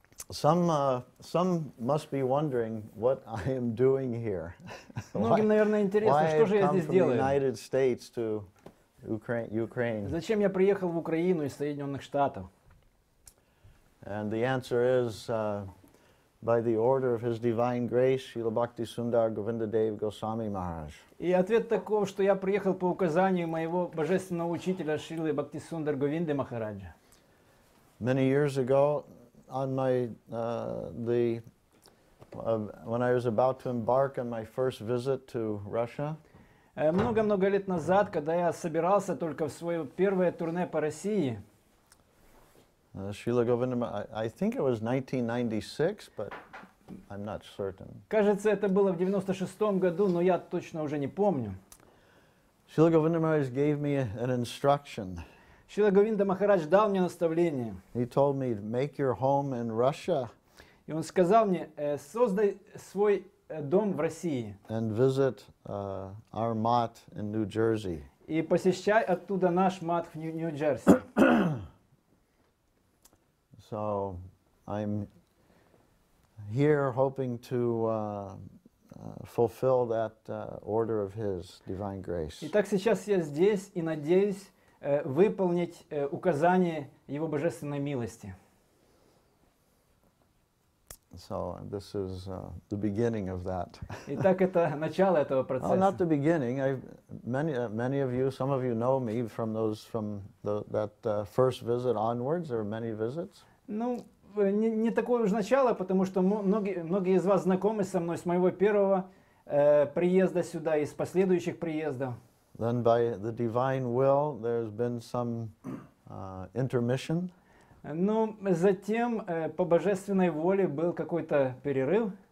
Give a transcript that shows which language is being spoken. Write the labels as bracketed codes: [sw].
[en] Some must be wondering what I am doing here. [ru] Многим, наверное, интересно, что же я здесь делаю. [en] Why I come from the United States to Ukraine? [ru] Зачем я приехал в Украину из Соединенных Штатов? [en] And the answer is by the order of His Divine Grace, Srila Bhakti Sundar Govindadev Goswami Maharaj. [ru] И ответ таков, что я приехал по указанию моего божественного учителя Шрилы Бхакти Сундар Говинды Махараджа. [en] Many years ago. On my when I was about to embark on my first visit to Russia. [ru] Много-много лет назад, когда я собирался только в свое первое турне по России. [en] Шрила Говинда, I think it was 1996, but I'm not certain. [ru] Кажется, это было в 96 году, но я точно уже не помню. [en] Шрила Говинда Махарадж gave me an instruction. [ru] Шрила Говинда Махарадж дал мне наставление. [en] He told me, make your home in Russia. [ru] И он сказал мне, создай свой дом в России. [en] And visit our mat in New Jersey. [ru] И посещай оттуда наш мат в Нью-Джерси. [en] So I'm here hoping to fulfill that order of His divine grace. [ru] Итак, сейчас я здесь и надеюсь выполнить указание Его Божественной милости. [en] So this is the beginning of that. [ru] Итак, это начало этого процесса. [en] Well, not the beginning. Many of you, some of you know me from that first visit onwards. There are many visits. [ru] Ну, не такое уж начало, потому что многие из вас знакомы со мной с моего первого приезда сюда и с последующих приездов. [en] Then by the divine will, there's been some intermission. [ru] Но затем по божественной воле был какой-то перерыв.